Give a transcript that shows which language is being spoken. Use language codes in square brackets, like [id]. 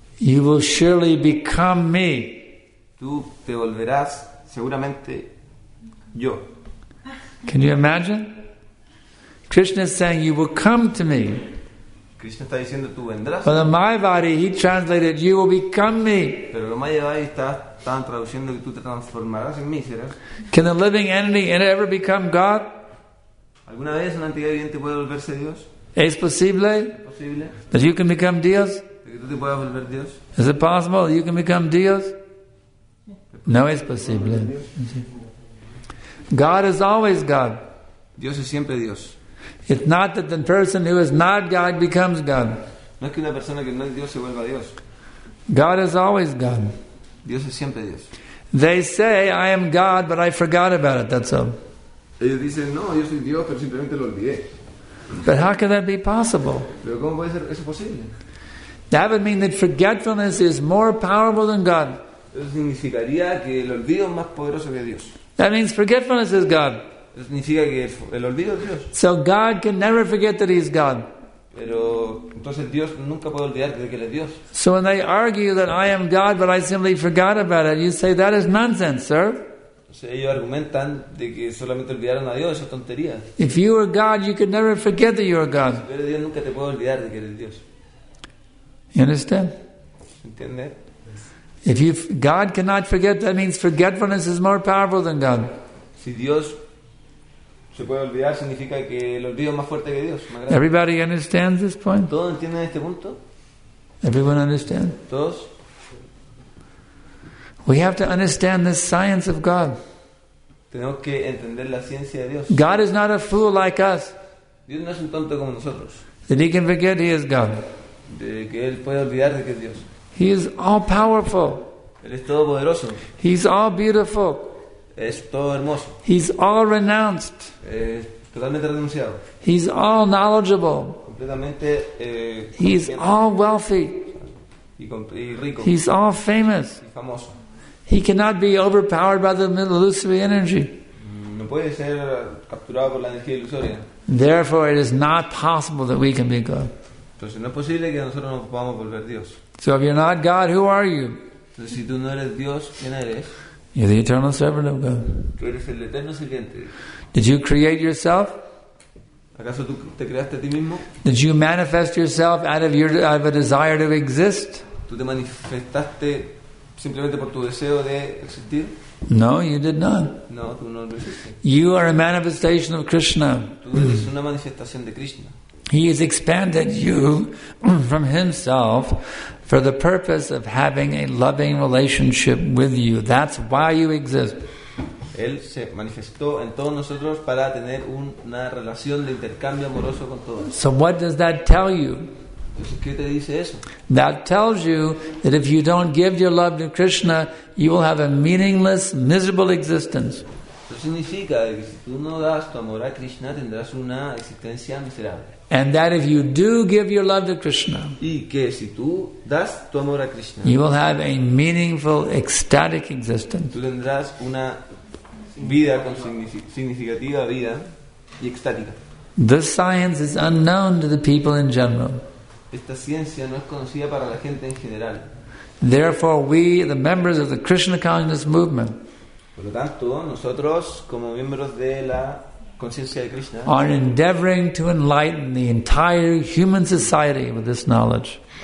[en] You will surely become me. [es] Tú te volverás seguramente yo. [en] Can you imagine? Krishna is saying, you will come to me. [es] Krishna está diciendo, tú vendrás. [en] But the Mayavadi, he translated, you will become me. [es] Pero los Mayavadi están traduciendo que tú te transformarás en mí, ¿serás? [en] Can the living entity ever become God? [es] ¿Alguna vez una entidad viviente puede volverse Dios? ¿Es posible? ¿Es posible? [en] That you can become Dios? [es] ¿De que tú te puedas volver Dios? [en] Is it possible that you can become Dios? [es] No es posible. [en] God is always God. [es] Dios es siempre Dios. [en] It's not that the person who is not God becomes God. [es] No es que una persona que no es Dios se vuelva Dios. [en] God is always God. [es] Dios es siempre Dios. [en] They say, I am God, but I forgot about it, that's all. [es] Ellos dicen, no, yo soy Dios, pero simplemente lo olvidé. [en] But how can that be possible? [es] Pero ¿cómo puede ser eso posible? [en] That would mean that forgetfulness is more powerful than God. [es] Eso significaría que el olvido es más poderoso que Dios. [en] That means forgetfulness is God. [es] Eso significa que el olvido es Dios. [en] So God can never forget that He is God. [es] Pero entonces Dios nunca puede olvidar de que él es Dios. [en] So when they argue that I am God, but I simply forgot about it, you say that is nonsense, sir. [es] Entonces ellos argumentan de que solamente olvidaron a Dios, eso es tontería. [en] If you are God, you could never forget that you are God. [es] Si eres Dios, nunca te puedo olvidar de que eres Dios. [en] You understand? [es] ¿Entiendes? [en] If you God cannot forget, that means forgetfulness is more powerful than God. [es] Si Dios se puede olvidar, significa que el olvido es más fuerte que Dios. [en] Everybody understands this point? [es] ¿Todos entienden este punto? [en] Everyone understand? [es] ¿Todos? [en] We have to understand the science of God. [es] Tenemos que entender la ciencia de Dios. [en] God is not a fool like us. [es] Dios no es un tonto como nosotros. [en] That he can forget he is God. [es] De que él puede olvidar de que es Dios. [en] He is all powerful. [es] Él es todopoderoso. [en] He's all beautiful. [es] Es todo hermoso. [en] He's all renounced. [es] Totalmente renunciado. [en] He's all knowledgeable. [es] Completamente, [en] he's all wealthy. [es] Y rico. [en] He's all famous. [es] Y famoso. [en] He cannot be overpowered by the illusory energy. [es] No puede ser capturado por la energía ilusoria. [en] Therefore, it is not possible that we can be God. [es] Entonces, no es posible que nosotros nos podamos volver Dios. [en] So if you're not God, who are you? [es] Entonces, si tú no eres Dios, ¿quién eres? [en] You're the eternal servant of God. [es] Tú eres el eterno sirviente. [en] Did you create yourself? [es] ¿Acaso tú te creaste a ti mismo? [en] Did you manifest yourself out of a desire to exist? [es] ¿Tú te manifestaste simplemente por tu deseo de existir? [en] No, you did not. [es] No, tú no lo hiciste. [en] You are a manifestation of Krishna. [es] Tú eres una manifestación de Krishna. [en] He has expanded you from himself for the purpose of having a loving relationship with you. That's why you exist. [es] Él se manifestó en todos nosotros para tener una relación de intercambio amoroso con todos. [en] So what does that tell you? [es] ¿Qué te dice eso? [en] That tells you that if you don't give your love to Krishna, you will have a meaningless, miserable existence. [es] Eso significa que si tú no das tu amor a Krishna, tendrás una existencia miserable. [en] And that if you do give your love to Krishna, [es] y que si tú das tu amor a Krishna, [en] you will have a meaningful, ecstatic existence. [es] Tú tendrás una vida con significativa vida y extática. [en] This science is unknown to the people in general. [es] Esta ciencia no es conocida para la gente en general. [en] Therefore, we, the members of the Krishna consciousness movement, [es] por lo tanto, nosotros como miembros de la [en] are endeavoring to enlighten the entire human society with this knowledge.